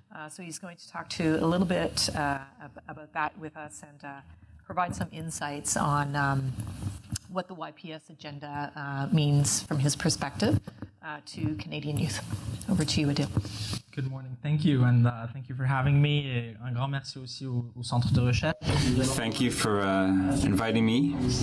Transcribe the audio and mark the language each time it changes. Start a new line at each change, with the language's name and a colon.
English: So he's going to talk to a little bit about that with us and provide some insights on what the YPS agenda means from his perspective to Canadian youth. Over to you, Adil. Good morning. Thank you, and thank you for having me.
French: Et un grand merci aussi au Centre de Recherche.
English: Thank you for inviting me.